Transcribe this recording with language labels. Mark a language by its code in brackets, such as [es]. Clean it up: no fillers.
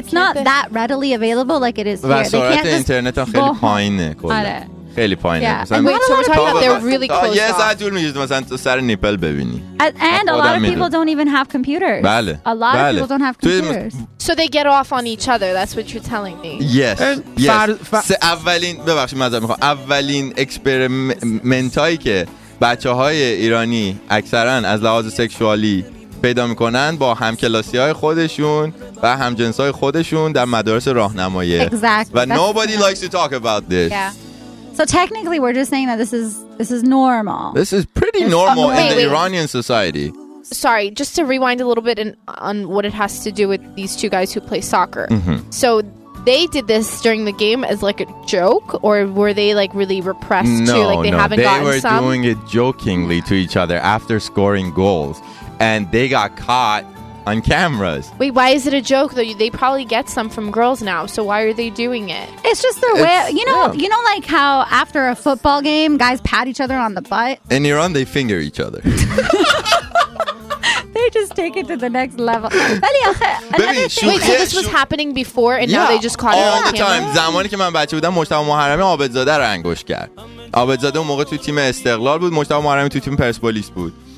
[en] It's not that readily available like it is here. They can't just internet go home. [fa] خیلی پایینه. [en] Yeah. Wait, so we're talking about they're really close. [fa] یه ساعت طول می‌کشه مثلا تو سر نیپل ببینی. [en] And a lot of people don't even have computers. [fa] بله. [en] A lot of people don't have computers. So they get off on each other. That's what you're telling me. Yes. Yes. [fa] اولین ببخشید معذرت می‌خوام. اولین اکسپریمنتایی که بچه‌های ایرانی اکثرا از لحاظ سکشوالی پیدا می‌کنن با همکلاسی‌های خودشون و همجنس‌های خودشون در مدارس راهنمایی. [en] Exactly. [fa] و [en] nobody likes to talk about this. So technically, we're just saying that this is normal. This is pretty normal in the Iranian society. Sorry, just to rewind a little bit on what it has to do with these two guys who play soccer. Mm-hmm. So they did this during the game as like a joke, or were they like really repressed doing it jokingly to each other after scoring goals, and they got caught on cameras. Wait, why is it a joke though? They probably get some from girls now, so why are they doing it? It's just their way. You know like how after a football game guys pat each other on the butt? In Iran they finger each other. They just take it to the next level. Baby, wait, so this was happening before and now they just caught it on the time. [fa] زمانی که من بچه بودم مشتاق محرمی عابدزاده رو انگوش کرد. عابدزاده اون موقع تو تیم استقلال بود، مشتاق محرمی تو تیم پرسپولیس بود.